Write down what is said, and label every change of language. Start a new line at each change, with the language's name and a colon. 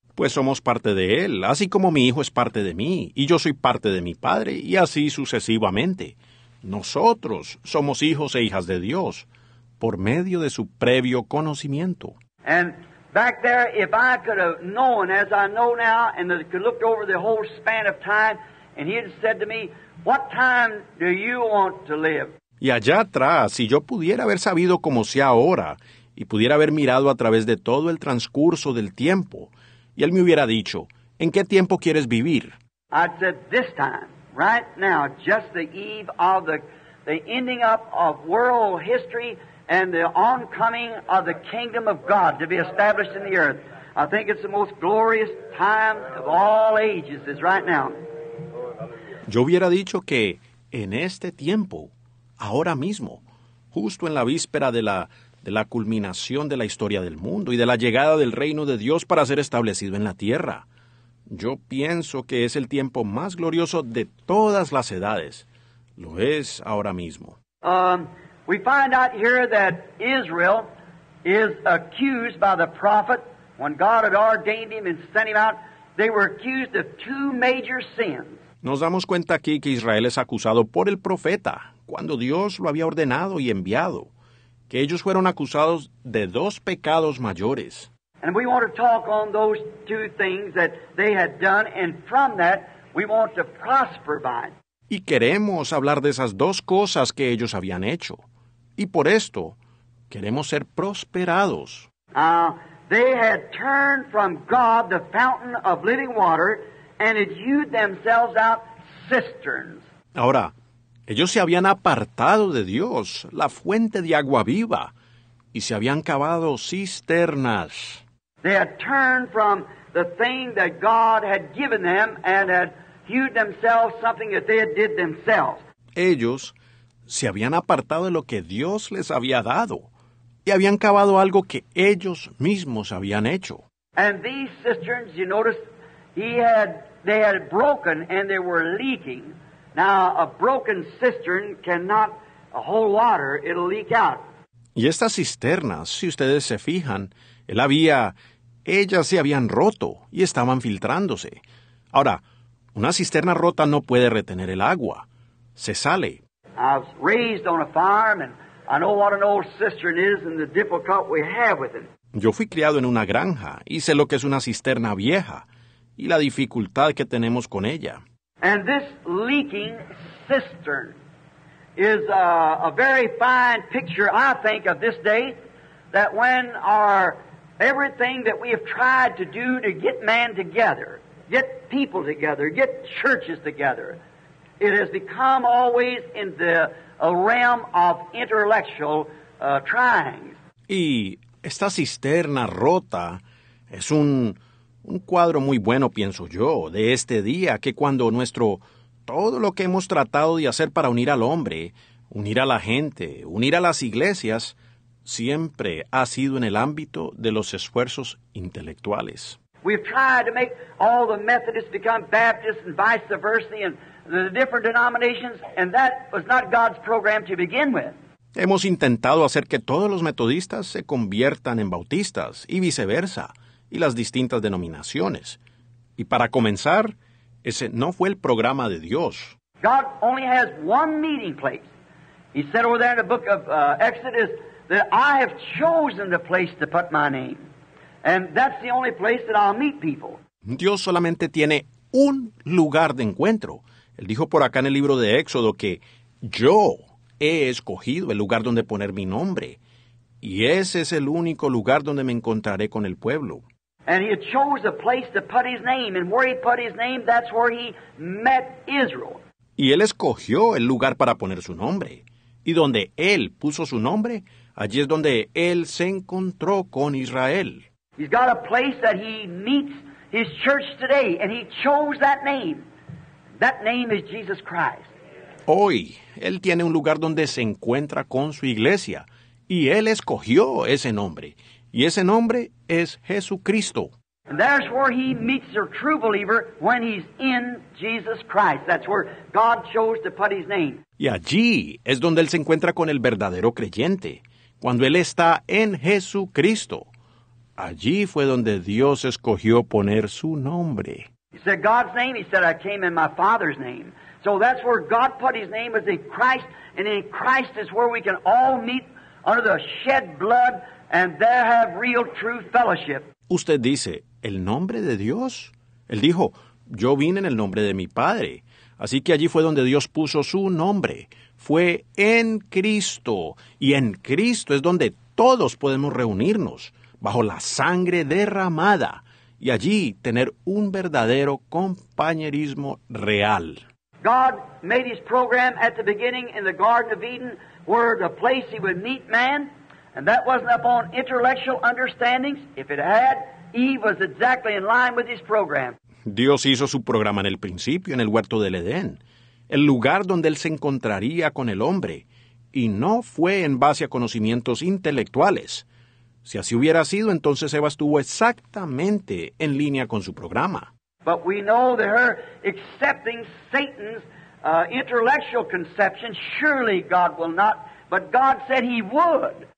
Spanish: Pues somos parte de él, así como mi hijo es parte de mí y yo soy parte de mi padre y así sucesivamente. Nosotros somos hijos e hijas de Dios por medio de su previo conocimiento.
English: And back there, if I could have known as I know now, and could looked over the whole span of time, and he had said to me, what time do you want to live?
Spanish: Y allá atrás, si yo pudiera haber sabido como sea ahora, y pudiera haber mirado a través de todo el transcurso del tiempo, y él me hubiera dicho, ¿en qué tiempo quieres vivir?
English: I'd said, this time, right now, just the eve of the ending up of world history, and the oncoming of the kingdom of God to be established in the earth. I think it's the most glorious time of all ages is right now.
Spanish: Yo hubiera dicho que en este tiempo, ahora mismo, justo en la víspera de la culminación de la historia del mundo y de la llegada del reino de Dios para ser establecido en la tierra, yo pienso que es el tiempo más glorioso de todas las edades. Lo es ahora mismo.
English: We find out here that Israel is accused by the prophet when God had ordained him and sent him out. They were accused of two major sins.
Spanish: Nos damos cuenta aquí que Israel es acusado por el profeta cuando Dios lo había ordenado y enviado, que ellos fueron acusados de dos pecados mayores.
English: And we want to talk on those two things that they had done, and from that we want to prosper by it.
Spanish: Y queremos hablar de esas dos cosas que ellos habían hecho. Y por esto, queremos ser prosperados.
English: They had turned from God, the fountain of living water, and had hewed themselves out cisterns.
Spanish: Ahora, ellos se habían apartado de Dios, la fuente de agua viva, y se habían cavado cisternas.
English: They had turned from the thing that God had given them and had hewed themselves something that they had did themselves.
Spanish: Ellos se habían apartado de lo que Dios les había dado y habían cavado algo que ellos mismos habían hecho.
English: And these cisterns, you notice, they had broken and they were leaking. Now, a broken cistern cannot hold water. It'll leak out.
Spanish: Y estas cisternas, si ustedes se fijan, ellas se habían roto y estaban filtrándose. Ahora, una cisterna rota no puede retener el agua. Se sale.
English: I was raised on a farm and I know what an old cistern is and the difficulty we have with it.
Spanish: Yo fui criado en una granja y sé lo que es una cisterna vieja y la dificultad que tenemos con ella.
English: And this leaking cistern is a very fine picture, I think, of this day, that when everything that we have tried to do to get man together, get people together, get churches together, it has become always in the realm of intellectual trying.
Spanish: Y esta cisterna rota es un cuadro muy bueno, pienso yo, de este día, que cuando todo lo que hemos tratado de hacer para unir al hombre, unir a la gente, unir a las iglesias, siempre ha sido en el ámbito de los esfuerzos intelectuales.
English: We've tried to make all the Methodists become Baptists and vice versa and the different denominations, and that was not God's program to begin with.
Spanish: Hemos intentado hacer que todos los metodistas se conviertan en bautistas y viceversa, y las distintas denominaciones. Y para comenzar, ese no fue el programa de Dios.
English: God only has one meeting place. He said over there in the book of Exodus that I have chosen the place to put my name. And that's the only place that I'll meet people.
Spanish: Dios solamente tiene un lugar de encuentro. Él dijo por acá en el libro de Éxodo que yo he escogido el lugar donde poner mi nombre. Y ese es el único lugar donde me encontraré con el pueblo.
English: And he chose a place to put his name. And where he put his name, that's where he met Israel.
Spanish: Y él escogió el lugar para poner su nombre. Y donde él puso su nombre, allí es donde él se encontró con Israel.
English: He's got a place that he meets his church today, and he chose that name. That name is Jesus Christ.
Spanish: Hoy, él tiene un lugar donde se encuentra con su iglesia, y él escogió ese nombre, y ese nombre es Jesucristo.
English: And that's where he meets a true believer when he's in Jesus Christ. That's where God chose to put his name.
Spanish: Y allí es donde él se encuentra con el verdadero creyente, cuando él está en Jesucristo. Allí fue donde Dios escogió poner su nombre.
English: He said God's name. He said I came in my Father's name. So that's where God put his name, was in Christ. And in Christ is where we can all meet under the shed blood and there have real true fellowship.
Spanish: Usted dice, ¿el nombre de Dios? Él dijo, yo vine en el nombre de mi Padre. Así que allí fue donde Dios puso su nombre. Fue en Cristo. Y en Cristo es donde todos podemos reunirnos. Bajo la sangre derramada, y allí tener un verdadero compañerismo real.
English: God made his program at the beginning in the Garden of Eden, where the place he would meet man, and that wasn't upon intellectual understandings. If it had, Eve was exactly in line with his program.
Spanish: Dios hizo su programa en el principio, en el huerto del Edén, el lugar donde él se encontraría con el hombre, y no fue en base a conocimientos intelectuales. Si así hubiera sido, entonces Eva estuvo exactamente en línea con su programa.
English: But we know that her accepting Satan's intellectual conception, surely God will not, but God said he would.